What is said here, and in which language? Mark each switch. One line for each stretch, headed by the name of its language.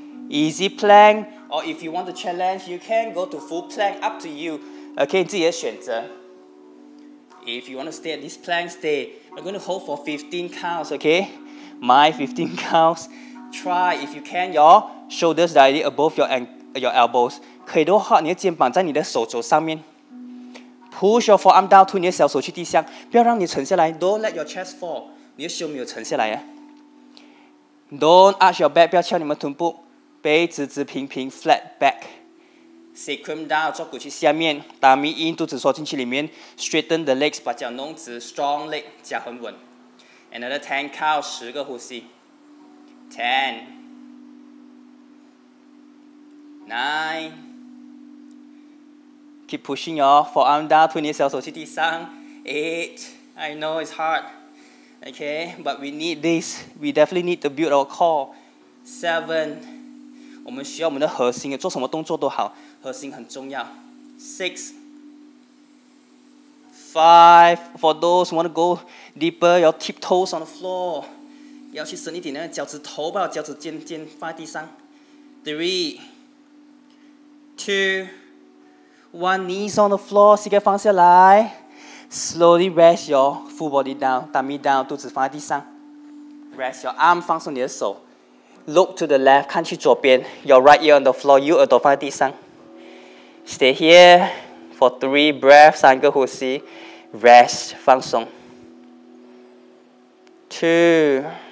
English: Easy plank, or if you want to challenge, you can go to full plank, up to you.
Chinese: Okay, 自己的选择.
English: If you want to stay at this plank, stay. We're going to hold for 15 counts, okay? My 15 counts. Try, if you can, your shoulders directly above your elbows.
Chinese: 可以的话,你的肩膀在你的手肘上面。
English: Push your forearm down,
Chinese: 推你的小手去地上，不要让你沉下来。
English: Don't let your chest fall.
Chinese: 你的胸没有沉下来呀。
English: Don't arch your back,
Chinese: 不要翘你们臀部。背直直平平
English: ，flat back. Sacrum down,
Chinese: 坐骨去下面。
English: Tummy in,
Chinese: 肚子缩进去里面。
English: Straighten the legs,
Chinese: 把脚弄直。
English: Strong leg,
Chinese: 脚很稳。
English: Another ten count,
Chinese: 十个呼吸。
English: Ten. Nine. Keep pushing your forearm down,
Chinese: 推你的小手去地上.
English: Eight, I know it's hard. Okay, but we need this. We definitely need to build our core.
Chinese: Seven, 我们需要我们的核心，做什么动作都好，核心很重要.
English: Six, five, for those who want to go deeper, your tiptoes on the floor.
Chinese: 要去深一点，那个脚趾头把脚趾尖尖放在地上.
English: Three, two,One knees on the floor,
Chinese: 膝盖放下来
English: Slowly rest your full body down, tummy down,
Chinese: 肚子放在地上
English: Rest your arm,
Chinese: 放松你的手
English: Look to the left,
Chinese: 看去左边
English: Your right ear on the floor,
Chinese: 右耳朵放在地上
English: Stay here for three breaths,
Chinese: 三个呼吸
English: Rest,
Chinese: 放松
English: Two